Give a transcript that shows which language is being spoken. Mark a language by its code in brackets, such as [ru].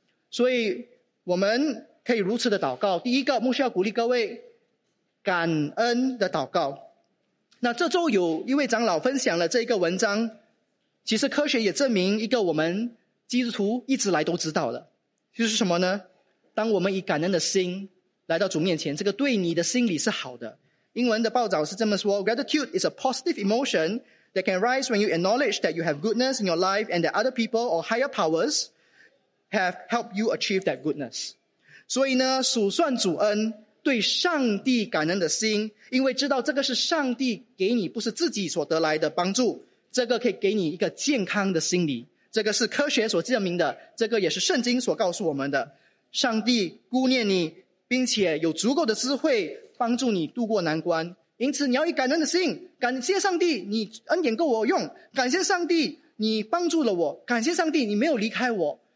[zh] 所以我们可以如此的祷告。第一个，牧师要鼓励各位感恩的祷告。那这周有一位长老分享了这个文章，其实科学也证明一个我们基督徒一直来都知道的，就是什么呢？当我们以感恩的心来到主面前，这个对你的心里是好的。 [en] 英文的报道是这么说， Gratitude is a positive emotion that can rise when you acknowledge that you have goodness in your life and that other people or higher powers have helped you achieve that goodness. [zh] 所以呢，数算主恩，对上帝感恩的心，因为知道这个是上帝给你，不是自己所得来的帮助，这个可以给你一个健康的心理。这个是科学所证明的，这个也是圣经所告诉我们的。上帝顾念你，并且有足够的智慧帮助你度过难关，因此你要以感恩的心，感谢上帝你恩典够我用，感谢上帝你帮助了我，感谢上帝你没有离开我。